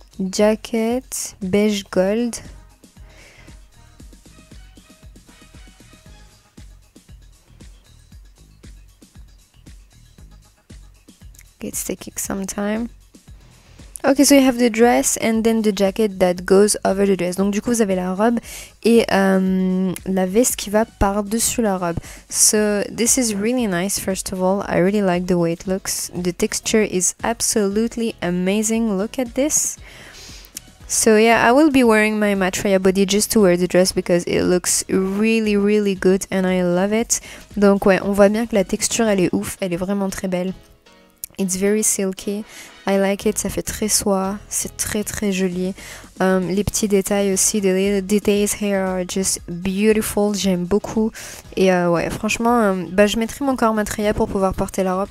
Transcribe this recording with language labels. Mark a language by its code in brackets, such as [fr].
[en] Jacket, beige gold. It's taking some time. Okay, so you have the dress and then the jacket that goes over the dress. [fr] Donc du coup, vous avez la robe et la veste qui va par-dessus la robe. [en] So, this is really nice, first of all. I really like the way it looks. The texture is absolutely amazing. Look at this. So yeah, I will be wearing my Maitreya body just to wear the dress because it looks really, really good and I love it. [fr] Donc ouais, on voit bien que la texture, elle est ouf. Elle est vraiment très belle. [en] It's very silky. I like it. [fr] Ça fait très soie. C'est très très joli. Les petits détails aussi. [en] The little details here are just beautiful. [fr] J'aime beaucoup. Et ouais, franchement, bah, je mettrai mon corps Maitreya pour pouvoir porter la robe.